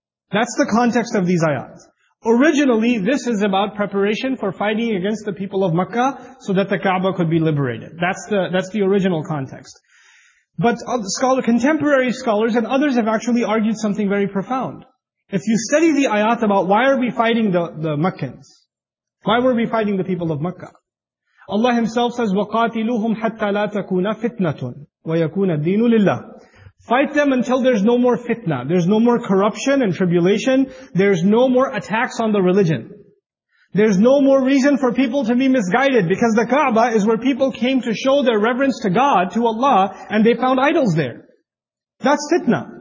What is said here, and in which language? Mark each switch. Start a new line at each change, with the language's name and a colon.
English: That's the context of these ayats. Originally, this is about preparation for fighting against the people of Makkah so that the Kaaba could be liberated. That's the original context. But contemporary scholars and others have actually argued something very profound. If you study the ayat about why are we fighting the Meccans? Why were we fighting the people of Mecca? Allah Himself says,
Arabic: وَقَاتِلُوهُمْ حَتَّى لَا تَكُونَ فِتْنَةٌ وَيَكُونَ الدِّينُ لِلَّهِ.
English: Fight them until there's no more fitna. There's no more corruption and tribulation. There's no more attacks on the religion. There's no more reason for people to be misguided, because the Kaaba is where people came to show their reverence to God, to Allah, and they found idols there. That's fitna.